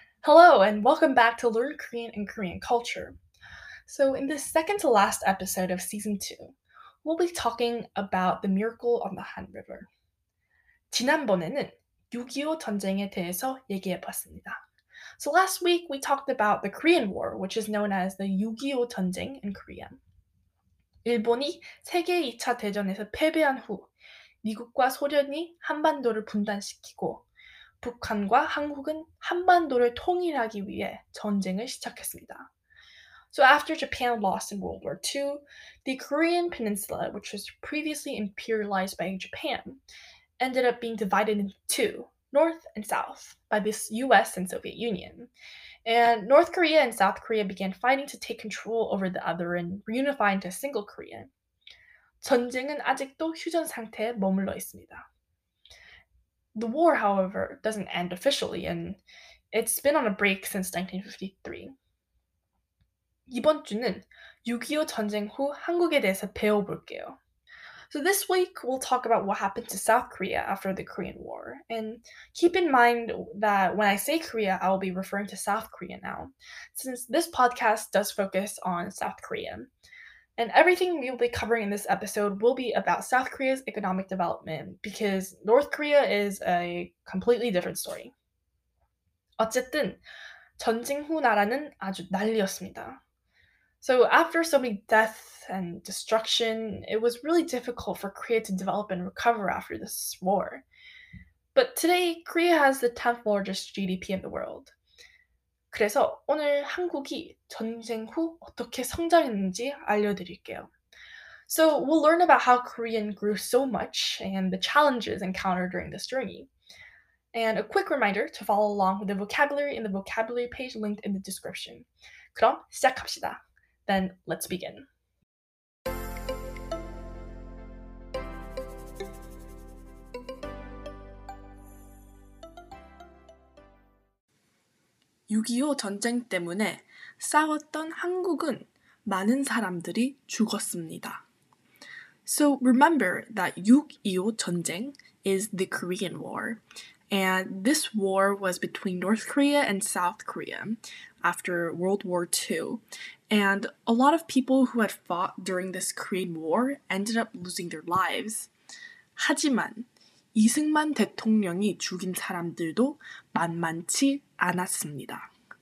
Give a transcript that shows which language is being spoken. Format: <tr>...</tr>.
<en>Hello, and welcome back to Learn Korean and Korean Culture. So, in the second to last episode of season two, we'll be talking about the miracle on the Han River.</en> <ko>지난번에는 6.25 전쟁에 대해서 얘기해 봤습니다.</ko> <en>So, last week we talked about the Korean War, which is known as the 6.25 전쟁 in Korean.</en> <ko>일본이 세계 2차 대전에서 패배한 후, 미국과 소련이 한반도를 분단시키고, 북한과 한국은 한반도를 통일하기 위해 전쟁을 시작했습니다.</ko> <en>So after Japan lost in World War II, the Korean Peninsula, which was previously imperialized by Japan, ended up being divided into two, North and South, by the US and Soviet Union. And North Korea and South Korea began fighting to take control over the other and reunify into a single Korea.</en> <ko>전쟁은 아직도 휴전 상태에 머물러 있습니다.</ko> <en>The war, however, doesn't end officially, and it's been on a break since 1953.</en> <ko>이번 주는 6.25 전쟁 후 한국에 대해서 배워볼게요.</ko> <en>So this week, we'll talk about what happened to South Korea after the Korean War. And keep in mind that when I say Korea, I will be referring to South Korea now, since this podcast does focus on South Korea. And everything we'll be covering in this episode will be about South Korea's economic development because North Korea is a completely different story.</en> <ko>어쨌든 전쟁 후 나라는 아주 난리였습니다.</ko> <en>So after so many deaths and destruction, it was really difficult for Korea to develop and recover after this war. But today, Korea has the 10th largest GDP in the world.</en> <ko>그래서 오늘 한국이 전쟁 후 어떻게 성장했는지 알려드릴게요.</ko> <en>So we'll learn about how Korea grew so much and the challenges encountered during this journey. And a quick reminder to follow along with the vocabulary in the vocabulary page linked in the description.</en> <ko>그럼 시작합시다.</ko> <en>Then let's begin.</en> <ko>6.25 전쟁 때문에 싸웠던 한국은 많은 사람들이 죽었습니다.</ko> <en>So remember that 6.25 전쟁 is the Korean War. And this war was between North Korea and South Korea after World War II. And a lot of people who had fought during this Korean War ended up losing their lives.</en> <ko>하지만 이승만 대통령이 죽인 사람들도 만만치 않았습니다.</ko>